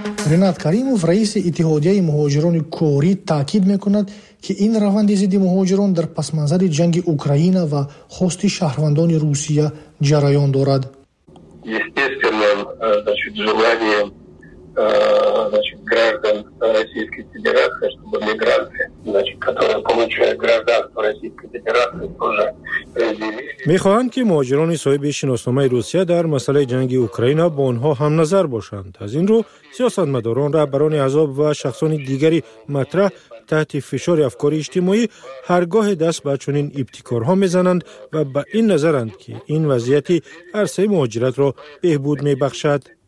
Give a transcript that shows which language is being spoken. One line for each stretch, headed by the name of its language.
Persian: رنات کریموف رئیس اتحادیه مهاجران کوری تاکید می کند که این روند ضد مهاجران در پسمنظر جنگ اوکراین و خواست شهروندان روسیه جریان دارد.
Russian: Естественно, значит, желание значит, граждан Российской Федерации, чтобы мигранты, значит, которые получают гражданство Российской Федерации, тоже разделились.
Persian: میخواهند که مهاجران صاحب شناسنامه روسیه در مسئله جنگ اوکراین با آنها هم نظر باشند. از این رو سیاستمداران رهبران احزاب و شخصان دیگری مطرح تحت فشار افکار اجتماعی هرگاه دست به چنین ابتکارها میزنند و به این نظرند که این وضعیت عرصه مهاجرت را بهبود میبخشد.